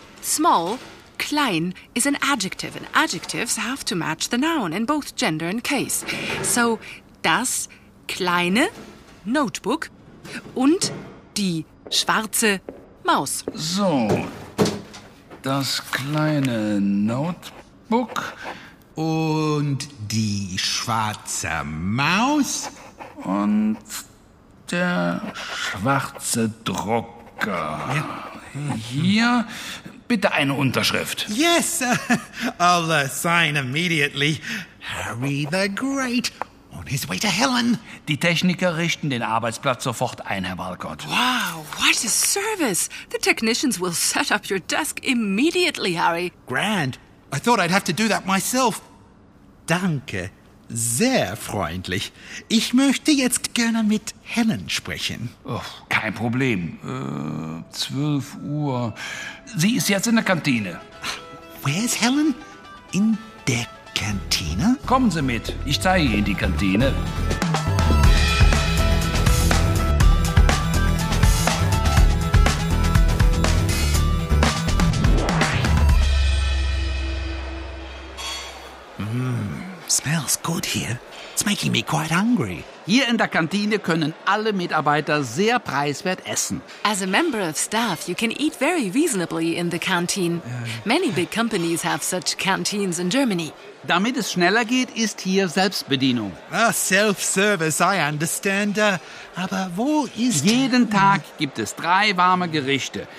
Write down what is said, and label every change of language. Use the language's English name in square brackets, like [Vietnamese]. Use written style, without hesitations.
[English] Small, klein, is an adjective, and adjectives have to match the noun in both gender and case. [German] So, das kleine Notebook und die schwarze Maus. So, das kleine Notebook und die schwarze Maus und der schwarze Drucker. Ja. Hier, bitte eine Unterschrift. [English] Yes, I'll sign immediately. Harry the Great on his way to Helen. [German] Die Techniker richten den Arbeitsplatz sofort ein, Herr Walcott. [English] Wow, what a service. The technicians will set up your desk immediately, Harry. Grand. I thought I'd have to do that myself. [German] Danke, sehr freundlich. Ich möchte jetzt gerne mit Helen sprechen. Oh, kein Problem. 12 Uhr. Sie ist jetzt in der Kantine. [English] Where is Helen? [German] In der Kantine? Kommen Sie mit, ich zeige Ihnen die Kantine. [English] Smells good here. It's making me quite hungry. [German] Hier in der Kantine können alle Mitarbeiter sehr preiswert essen. [English] As a member of staff, you can eat very reasonably in the canteen. Many big companies have such canteens in Germany. [German] Damit es schneller geht, ist hier Selbstbedienung. [English] Self-service, I understand. [German] Aber wo ist... Jeden Tag gibt es 3 warme Gerichte.